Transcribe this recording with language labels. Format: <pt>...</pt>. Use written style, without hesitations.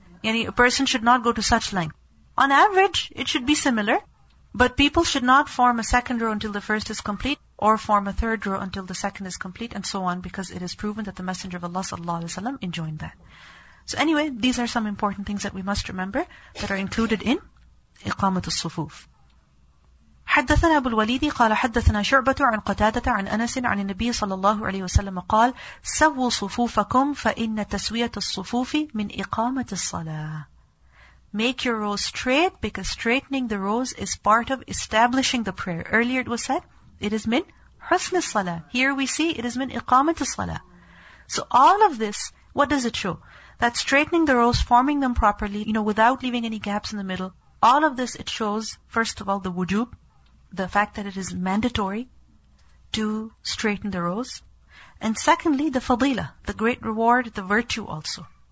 <en>Yani, a person should not go to such length. On average, it should be similar, but people should not form a second row until the first is complete, or form a third row until the second is complete, and so on, because it is proven that the Messenger of Allah</en> <ar>sallallahu alaihi wasallam</ar> <en>enjoined that. So anyway, these are some important things that we must remember that are included in</en> <ar>إقامة الصفوف. حدثنا أبو الوليد قال حدثنا شعبة عن قتادة عن أنس عن النبي صلى الله عليه وسلم قال سووا صفوفكم فإن تسوية الصفوف من إقامة الصلاة.</ar> <en>Make your rows straight, because straightening the rows is part of establishing the prayer. Earlier it was said, it is</en> <ar>من حسن الصلاة.</ar> <en>Here we see it is</en> <ar>من إقامة الصلاة.</ar> <en>So all of this, what does it show? That straightening the rows, forming them properly, you know, without leaving any gaps in the middle, all of this, it shows, first of all, the wujub, the fact that it is mandatory to straighten the rows. And secondly, the fadila, the great reward, the virtue also.</en>